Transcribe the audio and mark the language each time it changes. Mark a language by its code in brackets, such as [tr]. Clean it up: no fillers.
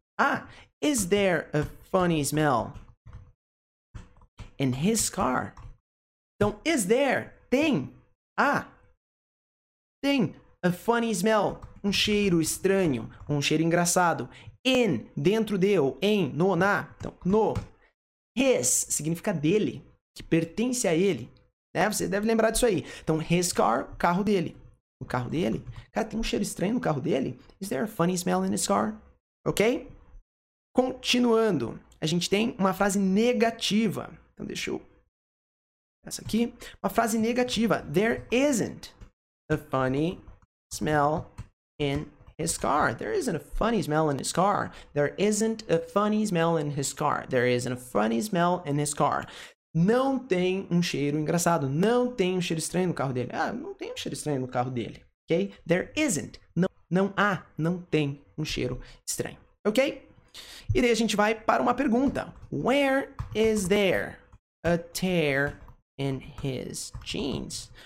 [en] Ah, is there a funny smell in his car? [pt] Então, [en] is there? [pt] Tem? Ah, tem [en] a funny smell, [pt] um cheiro estranho, um cheiro engraçado. In, dentro de, ou em, no, na. Então, no. His significa dele, que pertence a ele, né? Você deve lembrar disso aí. Então, [en] his car, [pt] carro dele. O carro dele? Cara, tem um cheiro estranho no carro dele? [en] Is there a funny smell in his car? [pt] Ok? Continuando, a gente tem uma frase negativa. Então, deixa eu... Essa aqui. Uma frase negativa. [en] There isn't a funny smell in his car. There isn't a funny smell in his car. There isn't a funny smell in his car. There isn't a funny smell in his car. [pt] Não tem um cheiro engraçado. Não tem um cheiro estranho no carro dele. Ah, não tem um cheiro estranho no carro dele. Ok? [en] There isn't. [pt] Não há. Não tem um cheiro estranho. Ok? E daí a gente vai para uma pergunta. [en] Where is there a tear in his jeans?